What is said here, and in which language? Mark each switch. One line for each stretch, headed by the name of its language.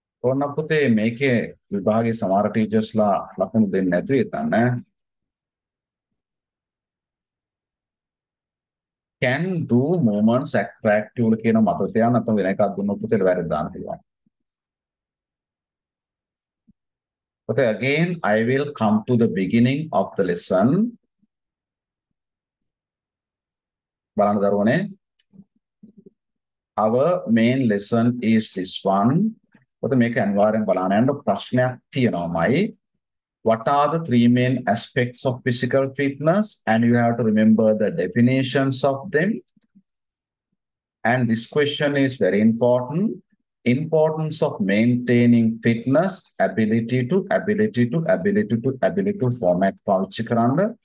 Sinhala: ඕනකොතේ මේකේ විභාගයේ සමහර ටීචර්ස්ලා ලකුණු දෙන්නේ නැතුව හිටන්න. Can do moments attractive කියන මතක තියාගන්න නැත්නම් වෙන එකක් දුන්නොත් පුතේට වැරද්ද දාන්න පුළුවන්.
English: Okay, again, I will come to the beginning of the lesson.
Sinhala: බලන්න දරුවනේ.
English: Our main lesson is this one.
Sinhala: ඔත මේක අනිවාර්යෙන් බලන්න යන ප්‍රශ්නයක් තියෙනවාමයි.
English: What are the three main aspects of physical fitness? And you have to remember the definitions of them. And this question is very important. Importance of maintaining fitness, ability to, ability to, ability to, ability to format
Sinhala: පාවිච්චි කරන්න.